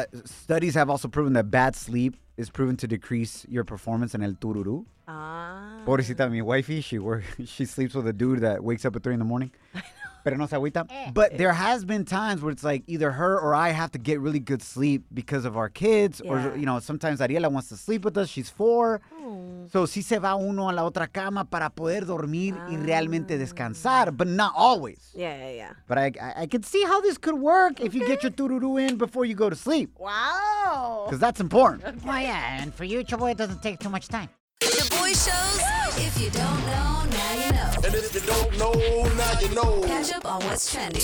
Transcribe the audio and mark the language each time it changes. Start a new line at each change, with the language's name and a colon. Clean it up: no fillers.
English: Studies have also proven that bad sleep is proven to decrease your performance in el tururu. Pobrecita, mi wifey, she sleeps with a dude that wakes up at 3 in the morning.
Spanish: Pero no se agüita.
English: But there has been times where it's like either her or I have to get really good sleep because of our kids. Yeah. Or, you know, sometimes Ariela wants to sleep with us. She's 4. Aww.
Spanish: So si se va uno a la otra cama para poder dormir y realmente descansar.
English: But not always. Yeah. But I can see how this could work if you get your tururu in before you go to sleep. Wow. Because that's important. Okay. Oh, yeah. And for you, Chavo, it doesn't take too much time. The boy shows. If you don't know, now you know. And if you don't know, now you know. Catch up on what's trending.